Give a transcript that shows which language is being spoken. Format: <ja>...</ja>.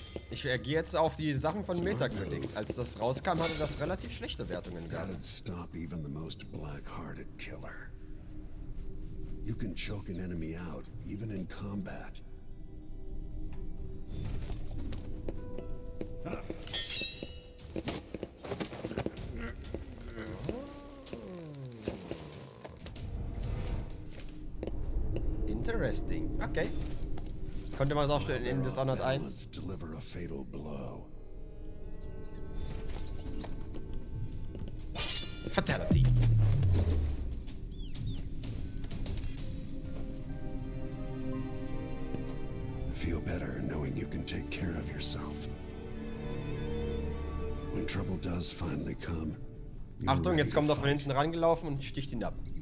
<de>Ich reagiere jetzt auf die Sachen von Metacritics. Als das rauskam, hatte das relativ schlechte Wertungen gehabt.</de> <en>Stop even the most black-hearted killer. You can choke an enemy out, even in combat.</en> <de>Interesting. Okay. Könnte man es auch schon in Dishonored 1.</de> <en>Deliver a fatal blow. Fatality. Feel better knowing you can take care of yourself. When trouble does finally come.</en> <de>Achtung, jetzt kommt er von hinten rangelaufen und sticht ihn ab.</de>